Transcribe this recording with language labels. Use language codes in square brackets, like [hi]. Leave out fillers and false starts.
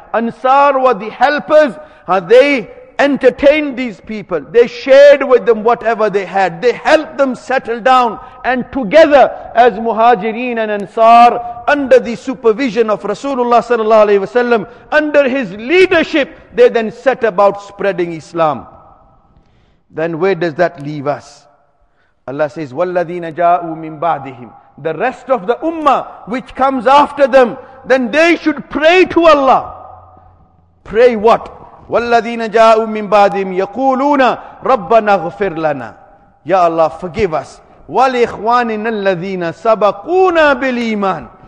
[en] Ansar were the helpers, they entertained these people, they shared with them whatever they had, they helped them settle down, and together as Muhajireen and Ansar, under the supervision of Rasulullah sallallahu alaihi wasallam, under his leadership, they then set about spreading Islam. Then where does that leave us? Allah says, [ar] وَالَّذِينَ جَاءُوا مِن بَعْدِهِمْ. [en] The rest of the ummah which comes after them, then they should pray to Allah. Pray what? [ar] وَالَّذِينَ جَاءُوا مِنْ بَعْدِهِمْ يَقُولُونَ رَبَّنَا اغْفِرْ لَنَا. [en] Ya Allah, forgive us. [ar] وَالْإِخْوَانِنَا الَّذِينَ سَبَقُونَا بِالْإِيمَانِ.